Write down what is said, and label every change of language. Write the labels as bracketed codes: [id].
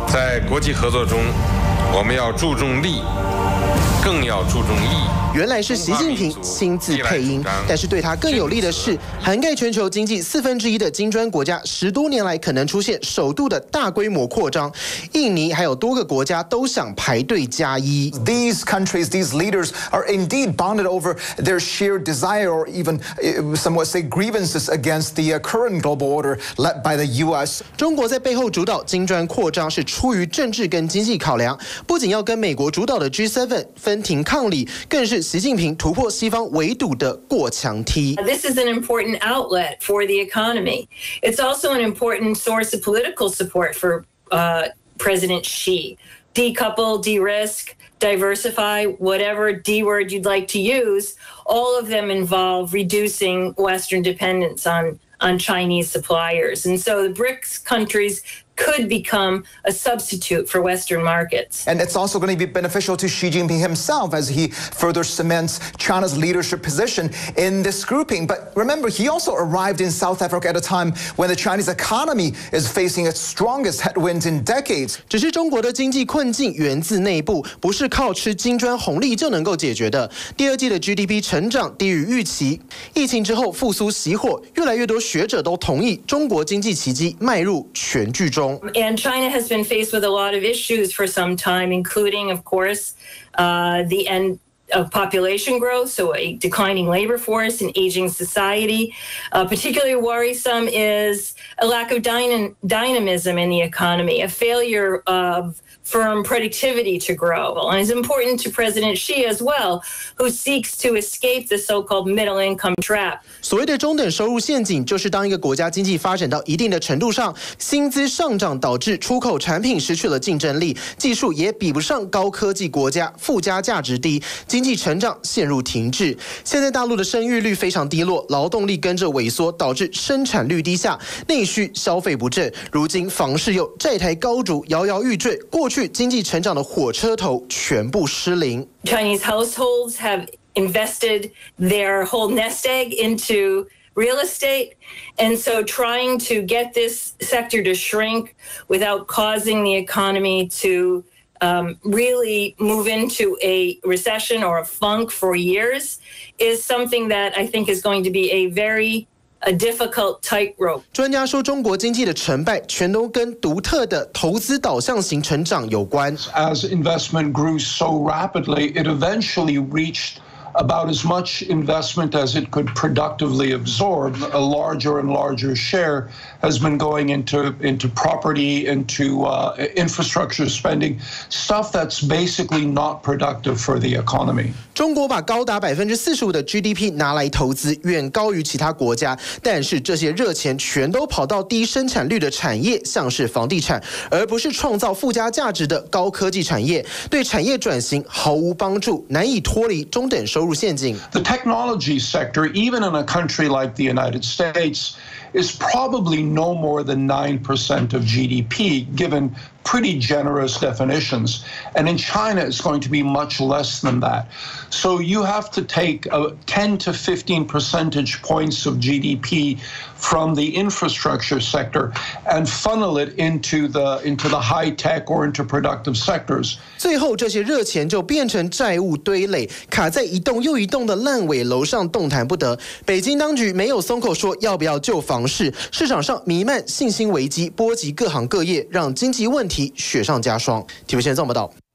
[zh] 在国际合作中，我们要注重利，更要注重义。原来是习近平亲自配音，但是对他更有利的是，涵盖全球经济四分之一的金砖国家，十多年来可能出现首度的大规模扩张。印尼还有多个国家都想排队加一。 [en] These countries, these leaders are indeed bonded over their shared desire, or even somewhat say grievances against the current global order led by the U.S. [zh] 中国在背后主导金砖扩张，是出于政治跟经济考量，不仅要跟美国主导的 G7 分庭抗礼，更是习近平突破西方围堵的过墙梯。 [en] This is an important outlet for the economy. It's also an important source of political support for President Xi. Decouple, de-risk, diversify, whatever D word you'd like to use, all of them involve reducing Western dependence on Chinese suppliers. And so the BRICS countries could become a substitute for Western markets. And it's also going to be beneficial to Xi Jinping himself as he further cements China's leadership position in this grouping. But remember, he also arrived in South Africa at a time when the Chinese economy is facing its strongest headwinds in decades. [zh] 只是中国的经济困境源自内部，不是靠吃金砖红利就能够解决的。第二季的 GDP 成长低于预期，疫情之后复苏熄火，越来越多学者都同意中国经济奇迹迈入全剧终。 [en] And China has been faced with a lot of issues for some time, including, of course, the end of population growth, so a declining labor force and aging society. Particularly worrisome is a lack of dynamism in the economy, a failure of firm productivity to grow. And it's important to President Xi as well, who seeks to escape the so-called middle income trap. [zh] 所谓的中等收入陷阱，就是当一个国家经济发展到一定的程度上，薪资上涨导致出口产品失去了竞争力，技术也比不上高科技国家，附加价值低，经济成长陷入停滞。现在大陆的生育率非常低落，劳动力跟着萎缩，导致生产率低下，内需消费不振，如今房市又债台高筑，摇摇欲坠，过去经济成长的火车头全部失灵。 [en] Chinese households haveinvested their whole nest egg into real estate. And so trying to get this sector to shrink without causing the economy to really move into a recession or a funk for years is something that I think is going to be a very difficult tightrope. [zh] 专家说中国经济的成败全都跟独特的投资导向型成长有关。 [en] As investment grew so rapidly, it eventually reachedabout as much investment as it could productively absorb, a larger and larger share has been going into property, into infrastructure spending, stuff that's basically not productive for the economy. [zh] 中国把高达45%的 GDP 拿来投资，远高于其他国家，但是这些热钱全都跑到低生产率的产业，像是房地产，而不是创造附加价值的高科技产业，对产业转型毫无帮助，难以脱离中等收入入陷阱。 [en] The technology sector, even in a country like the United States, is probably no more than 9% of GDP, given pretty generous definitions. And in China, it's going to be much less than that. So you have to take 10 to 15 percentage points of GDP from the infrastructure sector and funnel it into the high tech or into productive sectors. [zh] 最后这些热钱就变成债务堆垒，卡在一栋又一栋的烂尾楼上动弹不得。北京当局没有松口说要不要救房市，市场上弥漫信心危机，波及各行各业，让经济问题雪上加霜。体育线这么到。